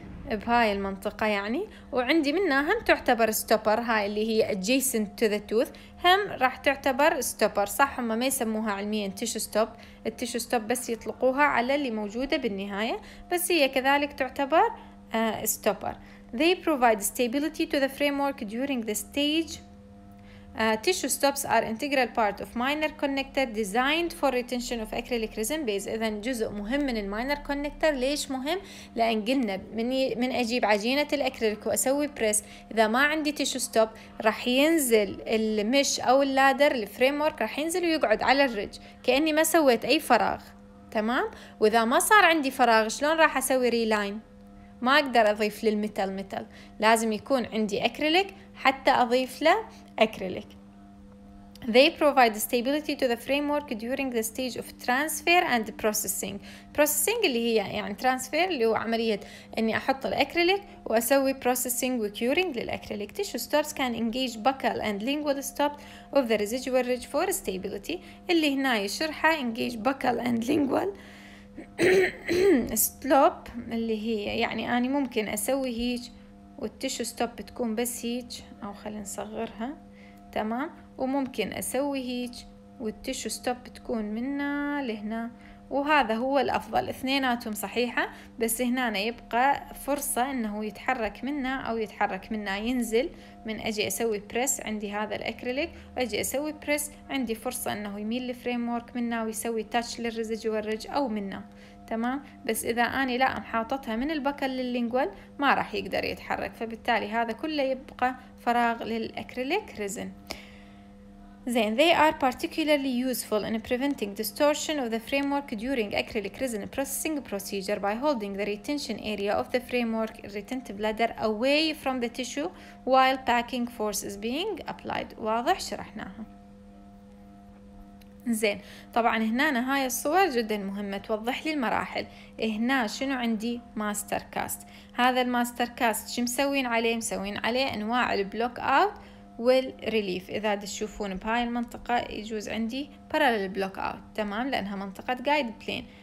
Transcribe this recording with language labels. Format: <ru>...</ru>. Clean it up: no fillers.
<ar>بهاي المنطقة يعني، وعندي منها هم تعتبر ستوبر، هاي اللي هي adjacent to the tooth هم راح تعتبر ستوبر صح. هم ما يسموها علميا تيشو ستوب، التيشو ستوب بس يطلقوها على اللي موجودة بالنهاية، بس هي كذلك تعتبر ستوبر.</ar> <en>They provide stability to the framework during the stage. Tissue stops are integral part of minor connector designed for retention of acrylic resin base.</en> <ar>إذن جزء مهم من الماينر كونكتر. ليش مهم؟ لأن قلنا من أجيب عجينة الأكريليك وأسوي بريس، إذا ما عندي tissue stop راح ينزل المش أو اللادر الفريمورك راح ينزل ويقعد على الرج كأني ما سويت أي فراغ، تمام؟ وإذا ما صار عندي فراغ شلون راح أسوي ريلاين؟ ما أقدر أضيف للميتال ميتال، لازم يكون عندي أكريليك حتى أضيف له أكريليك.</ar> <en>They provide stability to the framework during the stage of transfer and processing.</en> <ar>Processing اللي هي يعني transfer اللي هو عملية أني أحط الأكريليك وأسوي processing وcuring للأكريليك.</ar> <en>Tissue stops can engage buccal and lingual stops of the residual ridge for stability.</en> <ar>اللي هنا يشرحها engage buccal and lingual stop اللي هي يعني أنا ممكن أسوي هيج والتيشو ستوب بتكون بس هيج، أو خلينا نصغرها تمام، وممكن أسوي هيج والتيشو ستوب بتكون منا لهنا، وهذا هو الأفضل. اثنيناتهم صحيحة، بس هنا يبقى فرصة إنه يتحرك منا أو يتحرك منا ينزل. من أجي أسوي بريس عندي هذا الأكريليك، وأجي أسوي بريس عندي فرصة إنه يميل الفريمورك منا ويسوي تاتش للرزج والرج أو منا، تمام. بس إذا أنا لا محاططها من البكل لللينجوال ما راح يقدر يتحرك، فبالتالي هذا كله يبقى فراغ للأكريليك ريزن.</ar> <en>Then they are particularly useful in preventing distortion of the framework during acrylic resin processing procedure by holding the retention area of the framework retentive ladder away from the tissue while packing force is being applied.</en> <ar>واضح شرحناها. زين طبعا هنا هاي الصور جدا مهمة توضح لي المراحل. هنا شنو عندي؟ ماستر كاست. هذا الماستر كاست شو مسوين عليه؟ مسوين عليه انواع البلوك اوت والريليف. اذا تشوفون بهاي المنطقة يجوز عندي parallel block out، تمام، لانها منطقة جايد بلين.</ar>